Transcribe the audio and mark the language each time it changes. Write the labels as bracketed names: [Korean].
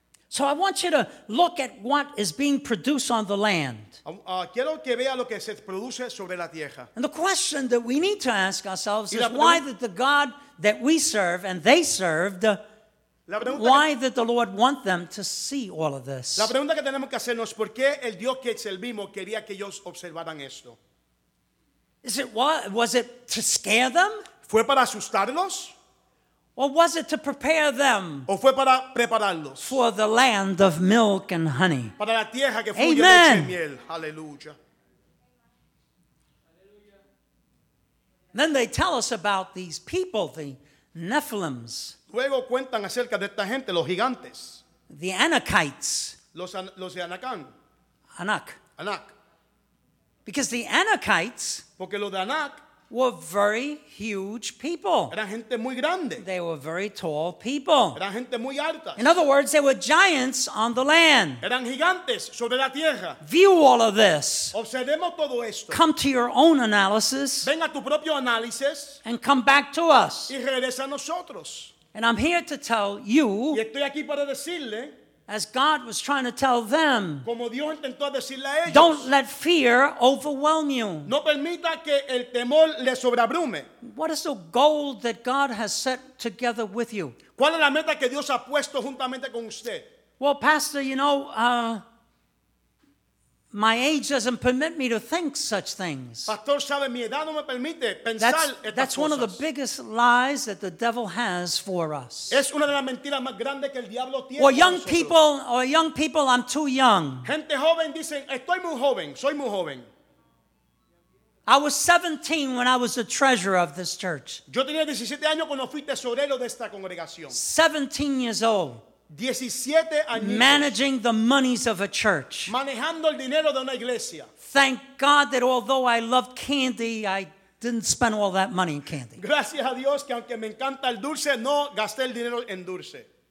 [English] So I want you to look at what is being produced on the land. [Spanish] Quiero que vea lo que se produce sobre la tierra. [English] And the question that we need to ask ourselves is why did the God that we serve and they served Why did the Lord want them to see all of this? [Spanish] La pregunta que tenemos que hacernos es por qué el Dios que servimos quería que ellos observaran esto. [English] Is it what? Was it to scare them? [Spanish] ¿Fue para asustarlos? [English] Or was it to prepare them? [Spanish] ¿O fue para prepararlos? [English] For the land of milk and honey. [Spanish] Para la tierra que fluye leche y miel. Aleluya. [English] Then they tell us about these people, the Nephilims. [Spanish] Luego cuentan acerca de esta gente, los gigantes. [English] The Anakites. [Spanish] Los de Anakan. [English] Anak. [Spanish] Anak. [English] Because the Anakites, [Spanish] porque los de Anak, [English] were very huge people. [Spanish] Eran gente muy grande. [English] They were very tall people. [Spanish] Eran gente muy altas. [English] In other words, they were giants on the land. [Spanish] Eran gigantes sobre la tierra. [English] View all of this. [Spanish] Observemos todo esto. [English] Come to your own analysis. [Spanish] Ven a tu propio análisis. [English] And come back to us. [Spanish] Y regresa a nosotros. [English] And I'm here to tell you, [Spanish] y estoy aquí para decirle, [English] as God was trying to tell them, [Spanish] como Dios intentó decirle a ellos, [English] don't let fear overwhelm you. [Spanish] No permita que el temor le sobreabrume. [English] What is the goal that God has set together with you? [Spanish] ¿Cuál es la meta que Dios ha puesto juntamente con usted? [English] Well, Pastor, you know, my age doesn't permit me to think such things. [Spanish] Pastor sabe, mi edad no me permite pensar estas cosas. [English] That's one of the biggest lies that the devil has for us. [Spanish] Es una de las mentiras más grandes que el diablo tiene. [English] Or young people, I'm too young. [Spanish] Gente joven dice, estoy muy joven, soy muy joven. [English] I was 17 when I was the treasurer of this church. [Spanish] Yo tenía 17 años cuando fui tesorero de esta congregación. [English] 17 years old. [Spanish] 17 años. [English] Managing the monies of a church. [Spanish] Manejando el dinero de una iglesia. [English] Thank God that although I loved candy, I didn't spend all that money in candy. [Spanish] Gracias a Dios que aunque me encanta el dulce, no gasté el dinero en dulce.